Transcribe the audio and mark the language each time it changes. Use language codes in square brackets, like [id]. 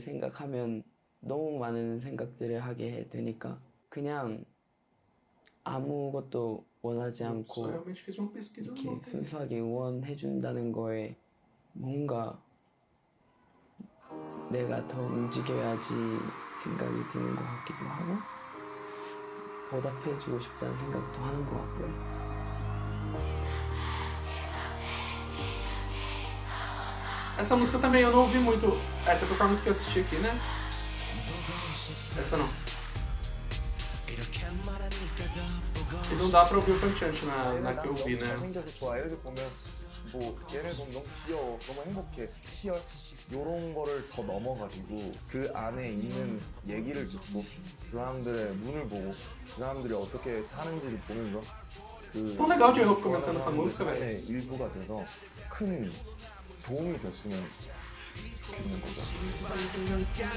[ko] 생각하면 너무 많은 생각들을 하게 되니까 그냥 아무것도 원하지 않고 이렇게 순수하게 응원해준다는 거에 뭔가 내가 더 움직여야지 생각이 드는 것 같기도 하고 보답해주고 싶다는 생각도 하는 것 같고요. 에서 [pt] música também eu não ouvi muito. Essa performance que eu assisti aqui, né? Essa não. E não dá pra ouvir o Frank Church na que eu vi, né? [ko] 생겨서 좋아요. 이렇게 보면 뭐 걔네 좀 너무 귀여워. 너무 행복해. 희열. 요런 거를 더 넘어가지고 그 안에 있는 얘기를 듣고 그 사람들의 눈을 보고 그 사람들이 어떻게 사는지를 보면서 [pt] Tão legal de novo começando essa música, velho. É, [ko] 일부가 돼서 큰 도움이 됐으면 좋겠는 거죠.